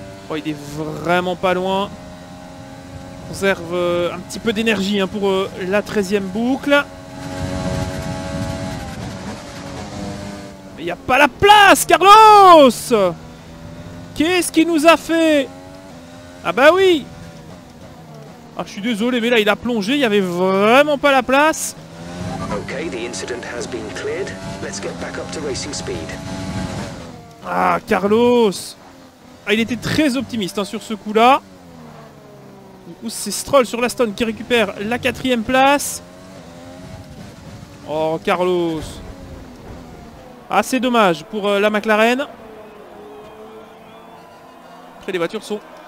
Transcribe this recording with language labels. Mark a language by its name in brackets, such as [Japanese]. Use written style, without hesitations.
[French] Oh, il est vraiment pas loin. On conserve un petit peu d'énergie hein, pour la 13e boucle. Il n'y a pas la place, Carlos! Qu'est-ce qu'il nous a fait? Ah bah oui! Ah, je suis désolé, mais là, il a plongé. Il n'y avait vraiment pas la place. [English] Okay, the incident has been cleared. Let's get back up to racing speed. [French] Ah, Carlos! Ah, il était très optimiste hein, sur ce coup-là. Du coup, c'est Stroll sur l'Aston qui récupère la 4e place. Oh, Carlos! Assez dommage pour la McLaren. Après, les voitures sont